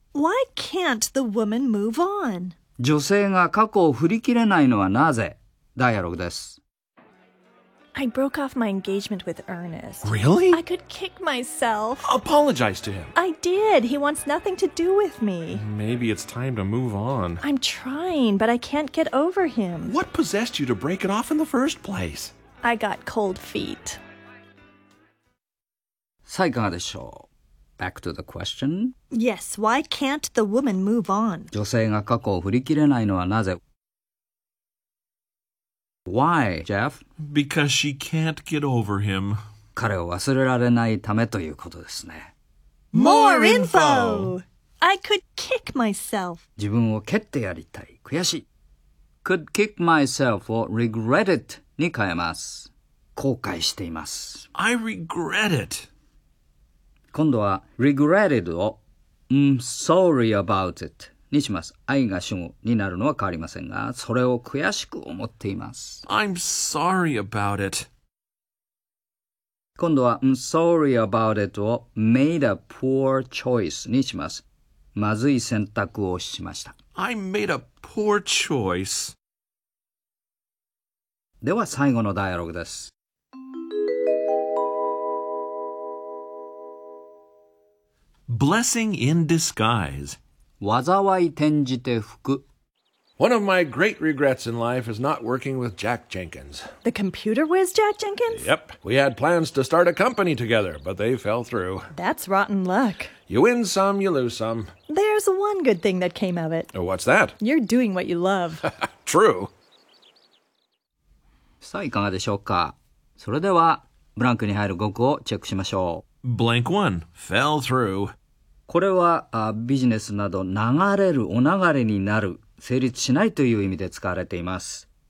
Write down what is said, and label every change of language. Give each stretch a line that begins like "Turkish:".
English: Why can't the woman move on?
Japanese: 女性が過去を振り切れないのはなぜ？ダイアログです。
English: I broke off my engagement with Ernest. Really? I could kick myself. Apologize to him. I did. He wants nothing to do with me. Maybe it's time to move on. I'm trying, but I can't get over him. What possessed you to break it off in the first place? I got cold feet.
Japanese: さあいかがでしょう?
English: Back to the question. Yes, why can't the woman move on? 女性が過去を振り切れないのはなぜ? Why, Jeff? Because she can't get over him.
Japanese: 彼を忘れられないためということですね。
English: More info! I could kick myself.
Japanese: 自分を蹴ってやりたい。悔しい。
English: Could kick myself
Japanese: を
English: regret it
Japanese: に変えます。後悔しています。
English: I regret it.
Japanese: 今度は regretted を
English: I'm sorry about it
Japanese: にします。愛が主語になるのは変わりませんが、それを悔しく思っています。
English: I'm sorry about it.
Japanese: 今度は、
English: I'm sorry about it
Japanese: を
English: made a poor choice
Japanese: にします。まずい選択をしました。
English: I made a poor choice.
Japanese: では最後のダイアログです。
English: Blessing in disguise.
Japanese: 災い転じて福。
English: One of my great regrets in life is not working with Jack Jenkins. The computer whiz Jack Jenkins? Yep. We had plans to start a company together, but they fell through. That's rotten luck. You win some, you lose some. There's one good thing that came of it. What's that? You're doing what you love. True.
Japanese: さあいかがでしょうか。それではブランクに入る語句をチェックしましょう。
English: Blank one. Fell through.
Japanese: これはビジネスなど流れる、お流れになる、成立しないという意味で使われています。